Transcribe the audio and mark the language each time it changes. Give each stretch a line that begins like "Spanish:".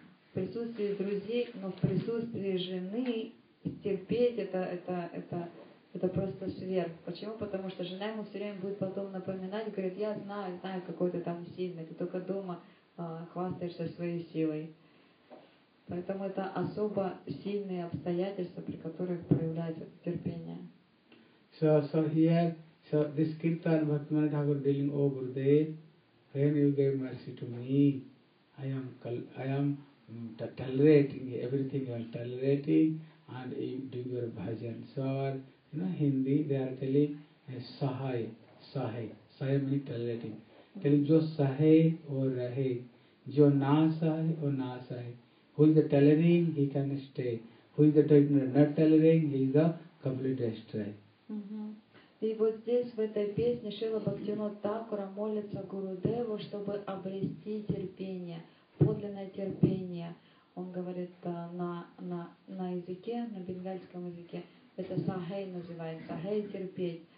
Russian: В присутствии друзей, но в присутствии жены стерпеть это просто сверх. Почему? Потому что жена ему все время будет потом напоминать, говорит: «Я знаю, какой ты там сильный, ты только дома хвастаешься своей силой». Поэтому это особо сильные обстоятельства, при которых проявляется терпение.
English: So here, so this Kirtan Bhaktivinoda Thakur dealing, «О, Гурудев, when you gave mercy to me, I am tolerating everything, you are tolerating, and you do your bhajan». So you know, Hindi, they are telling Sahai, Sahai, Sahai means tolerating.
Hindi: Telling Jo Sahai or Rahe, Jo Na Sahai or Na Sahai.
English: Who is the tolerating, he can stay. Who is the not tolerating, he is the complete destroyer. Mm-hmm.
Russian: И вот здесь, в этой песне, Шрила Бхактивинода Такура молится Гурудеву, чтобы обрести терпение, подлинное терпение. Он говорит на языке, на бенгальском языке, это сахей называется, сахей терпеть.